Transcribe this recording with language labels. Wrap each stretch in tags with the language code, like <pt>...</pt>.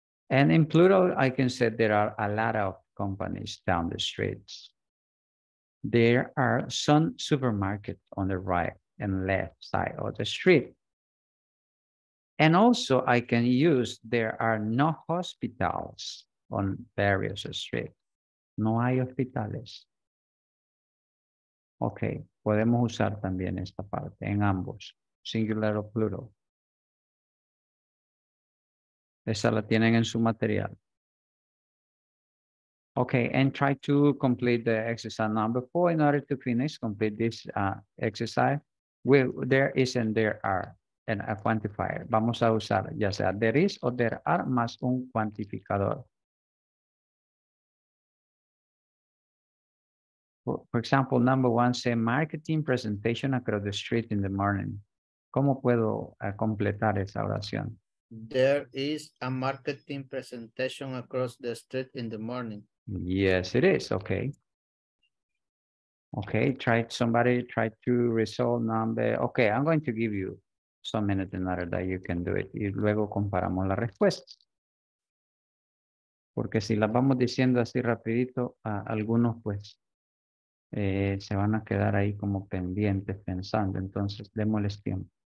<en>And in plural, I can say there are a lot of companies down the streets. There are some supermarkets on the right and left side of the street. And also I can use, there are no hospitals on various streets.</en> <es>No hay hospitales. Okay, podemos usar también esta parte en ambos, singular o plural. Esa la tienen en su material.</es> <en>Okay, and try to complete the exercise number four. In order to finish, complete this exercise, there is and there are and a quantifier.</en> <es>Vamos a usar ya sea</es> <en>there is</en> <es>o</es> <en>there are</en> <es>más un cuantificador.</es> <en>For example, number one say marketing presentation across the street in the morning.</en> <es>¿Cómo puedo completar esa oración?</es> <en>There is a marketing presentation across the street in the morning. Yes, it is. Okay. Okay, try to resolve number. Okay, I'm going to give you some minutes in order that you can do it.</en> <es>Y luego comparamos la respuesta. Porque si las vamos diciendo así rapidito, a algunos pues se van a quedar ahí como pendientes pensando. Entonces, démosles tiempo.</es>